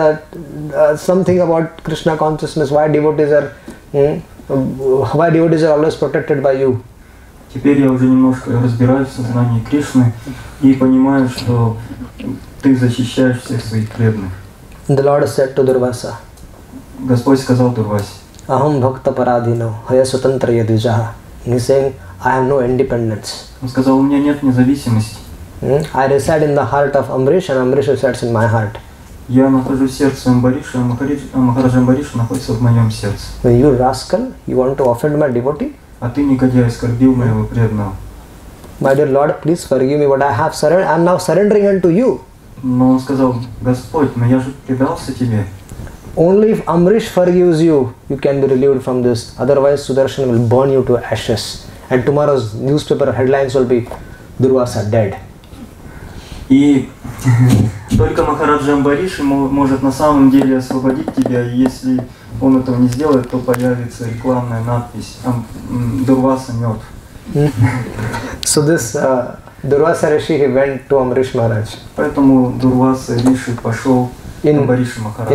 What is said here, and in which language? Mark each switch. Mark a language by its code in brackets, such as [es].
[en] I could now understand something about Krishna consciousness, why devotees are always protected by you. [ru] Теперь я уже немножко разбираюсь в сознании Кришны и понимаю, что ты защищаешь всех своих преданных. [en] The Lord said to Durvasa. [ru] Господь сказал Дурвасе. [sa] Aham bhakta paradhino haya svatantraya dvijaha. [en] He's saying, I have no independence. [ru] Он сказал, у меня нет независимости. [en] I reside in the heart of Amrish, and Amrish resides in my heart. [ru] Я нахожусь в сердце Амбариша, а Махарадж Амбариш находится в моем сердце. [en] When you rascal, you want to offend my devotee? [ru] А ты негодяй, оскорбил моего преданного. [en] My dear Lord, please forgive me, but I have surrendered. I am now surrendering unto you. [ru] Но он сказал, Господь, но я же предался тебе. [en] Only if Amrish forgives you, you can be relieved from this. Otherwise, Sudarshan will burn you to ashes, and tomorrow's newspaper headlines will be, Durvasa dead. [ru] И только Махараджа Амбариш может на самом деле освободить тебя, и если он этого не сделает, то появится рекламная надпись «Дурваса мертв». [en] So this Durvasa Rishi, he went to Amrish Maharaj. [ru] Поэтому Дурваса Риши пошел к Амбаришу Махараджу.